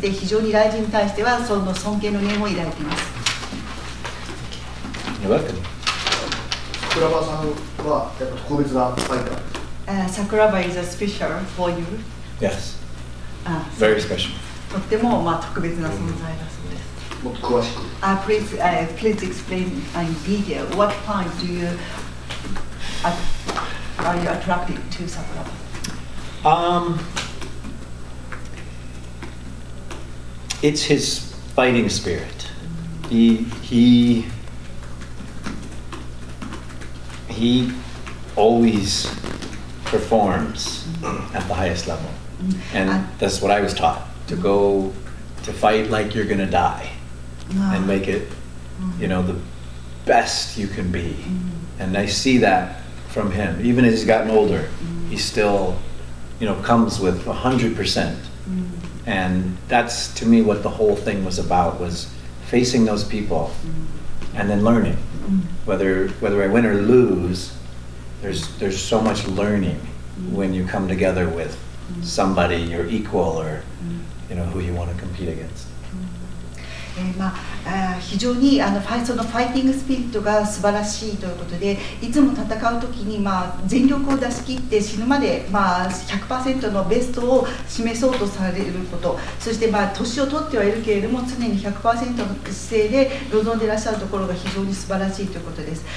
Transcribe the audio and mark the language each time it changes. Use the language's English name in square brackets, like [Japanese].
[Japanese] で、非常にライジンに対してはその尊敬の念を抱いています。 [English] You're welcome。 [Japanese] 桜庭さんはやっぱ特別なファイターですか？ [English] 桜庭 is a special for you? Yes, very special。 [Japanese] とっても特別な存在だそうです。もっと詳しく、 [English] please explain in detail what point do you are you attracted to Sakuraba? It's his fighting spirit. He always performs at the highest level, and that's what I was taught to go to fight like you're gonna die. And make it, you know, the best you can be. And I see that from him. Even as he's gotten older, he still, you know, comes with 100%. And that's, to me, what the whole thing was about, was facing those people and then learning. Whether I win or lose, there's so much learning when you come together with somebody, your equal, or, you know, who you want to compete against. [Japanese] 非常にそのファイティングスピリットが素晴らしいということで、いつも戦うときに全力を出し切って死ぬまで 100% のベストを示そうとされること、そして年を取ってはいるけれども常に 100% の姿勢で臨んでいらっしゃるところが非常に素晴らしいということです。